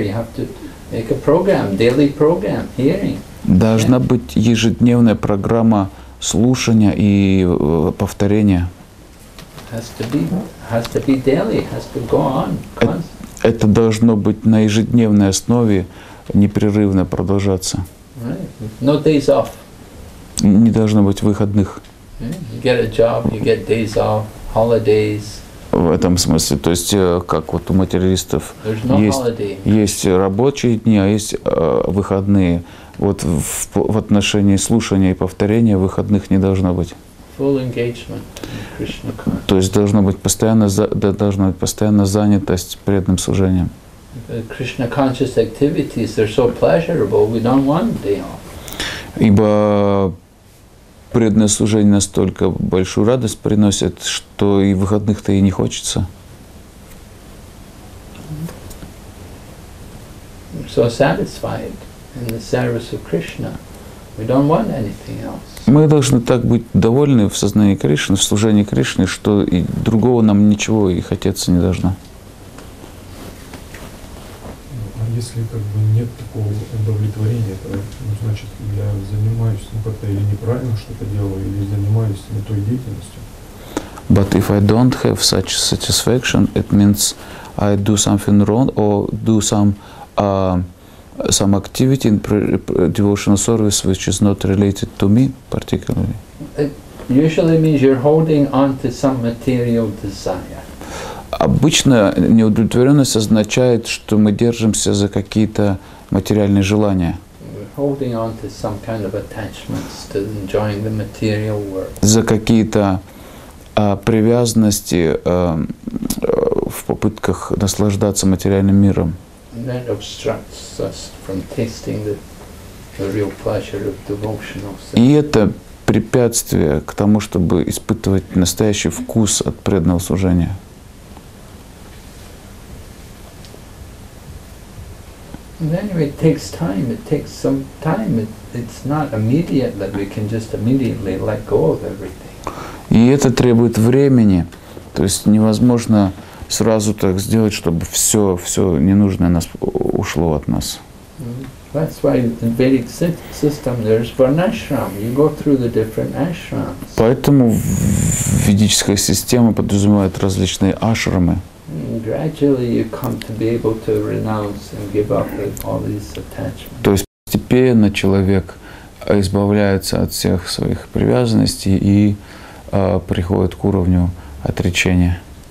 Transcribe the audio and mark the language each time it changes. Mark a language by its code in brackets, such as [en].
[en] You have to make a program, daily program, hearing. [ru] Должна быть ежедневная программа слушания и повторения. [en] Has to be daily. Has to go on. [ru] Это должно быть на ежедневной основе непрерывно продолжаться. [en] Right. No days off. [ru] Не должно быть выходных. [en] You get a job, you get days off, holidays. [ru] В этом смысле, то есть как вот у материалистов есть рабочие дни, а есть выходные. Вот в отношении слушания и повторения выходных не должно быть. [en] Full engagement in Krishna consciousness. [ru] То есть должна быть постоянно занятость преданным служением. [en] Krishna conscious activities, they're so pleasurable, we don't want a day off. [ru] Ибо преданное служение настолько большую радость приносит, что и выходных-то и не хочется. [en] so satisfied in the service of Krishna. We don't want anything else. [ru] Мы должны так быть довольны в сознании Кришны, в служении Кришне, что и другого нам ничего и хотеться не должно. А если как бы нет такого удовлетворения, то, ну, значит, я занимаюсь, ну, как-то или неправильно что-то делаю, или занимаюсь не той деятельностью. [en] But if I don't have such satisfaction, it means I do something wrong or do some activity in devotional service which is not related to me particularly. It usually means you're holding on to some material desire. [ru] Обычно неудовлетворенность означает, что мы держимся за какие-то материальные желания. [en] Holding on to some kind of attachments to enjoying the material world. [ru] За какие-то привязанности в попытках наслаждаться материальным миром. [en] That obstructs us from tasting the real pleasure of devotional service. [ru] И это препятствие к тому, чтобы испытывать настоящий вкус от преданного служения. [en] And anyway, it takes time. It takes some time. It's not immediate that we can just immediately let go of everything. [ru] И это требует времени. То есть невозможно сразу так сделать, чтобы все ненужное нас ушло от нас. [en] That's why in Vedic system there's varnashram. You go through the different ashrams. [ru] Поэтому ведическая система подразумевает различные ашрамы. [en] Gradually you come to be able to renounce and give up all these attachments. [ru] То есть постепенно человек избавляется от всех своих привязанностей и приходит к уровню отречения.